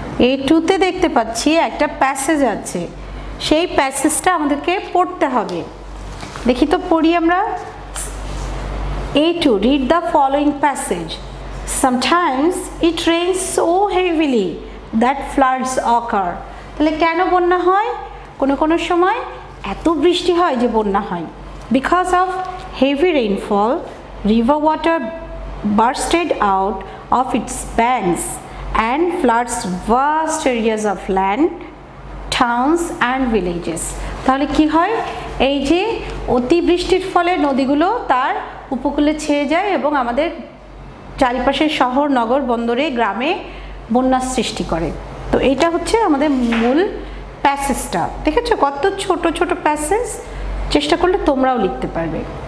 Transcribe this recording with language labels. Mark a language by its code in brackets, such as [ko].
[bn] A2 তে দেখতে পাচ্ছি একটা প্যাসেজ আছে, সেই প্যাসেজটা আমাদেরকে পড়তে হবে। দেখি তো পড়ি আমরা। [en] A2, read the following passage. Sometimes it rains so heavily that floods occur. [bn] তাহলে কেন বন্যা হয়? কোনো কোনো সময় এত বৃষ্টি হয় যে বন্যা হয়। [en] Because of heavy rainfall river water bursted out of its banks and floods vast areas of land, towns and villages. [bn] তাহলে কি হয়, এই যে অতিবৃষ্টির ফলে নদীগুলো তার উপকূলে ছেয়ে যায় এবং আমাদের চারিপাশের শহর নগর বন্দরে গ্রামে বন্যার সৃষ্টি করে। তো এটা হচ্ছে আমাদের মূল প্যাসেজটা। দেখেছো কত ছোট ছোট প্যাসেজ, চেষ্টা করলে তোমরাও লিখতে পারবে।